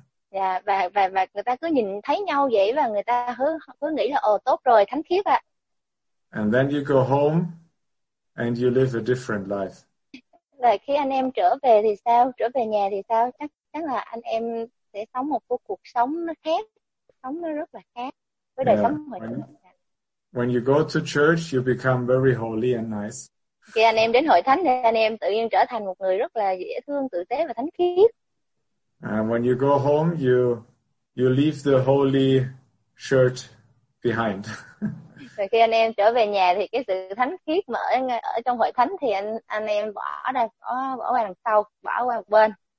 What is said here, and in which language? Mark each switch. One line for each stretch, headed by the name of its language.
Vietnamese: Yeah, và người ta cứ nhìn thấy nhau vậy và người ta cứ nghĩ là, oh, tốt rồi, thánh khiết ạ.
English: And then you go home and you live a different life.
Vietnamese: Và khi anh em trở về thì sao? Trở về nhà thì sao? Chắc là anh em sẽ sống một cuộc sống khác, sống nó rất là khác với đời sống hồi thánh.
English: When you go to church, you become very holy and nice.
Vietnamese: Khi anh em đến hội thánh thì anh em tự nhiên trở thành một người rất là dễ thương, tử tế và thánh khiết.
English: And when you go home, you leave the holy shirt behind.
Vietnamese: Và khi anh em trở về nhà thì cái sự thánh khiết mà ở trong hội thánh thì anh em bỏ qua đằng sau, bỏ qua một bên.